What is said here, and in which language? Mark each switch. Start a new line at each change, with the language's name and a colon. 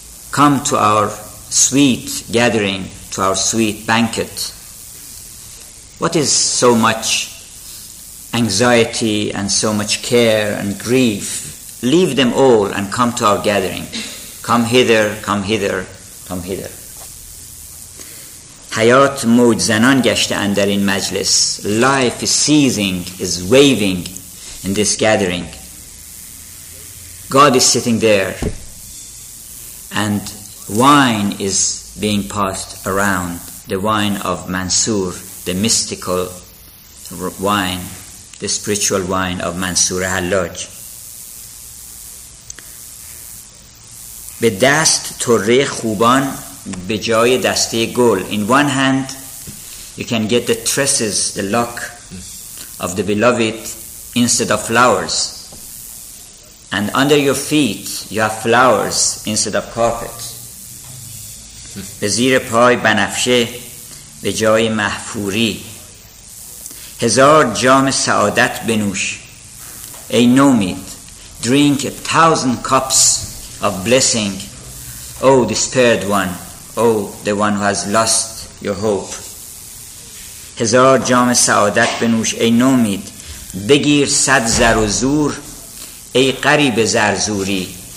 English: "Come to our sweet gathering, to our sweet banquet." What is so much anxiety and so much care and grief? Leave them all and come to our gathering. Come hither, come hither, come hither.
Persian: "حیات موج زنان گشته اندر این مجلس."
English: Life is seizing, is waving in this gathering. God is sitting there, and wine is being passed around, the wine of Mansur, the mystical wine, the spiritual wine of Mansur Halaj.
Persian: "به دست طره خوبان به جای دسته گل."
English: In one hand, you can get the tresses, the lock of the beloved, instead of flowers. And under your feet, you have flowers instead of carpet.
Persian: "به زیر پای بنفشه به جای محفوری." "هزار جام سعادت بنوش ای نومید."
English: Drink 1,000 cups of blessing, O despaired one, O the one who has lost your hope.
Persian: "هزار جام سعادت بنوش ای نومید." "بگیر صد زر و زور ای قریب زرزوری."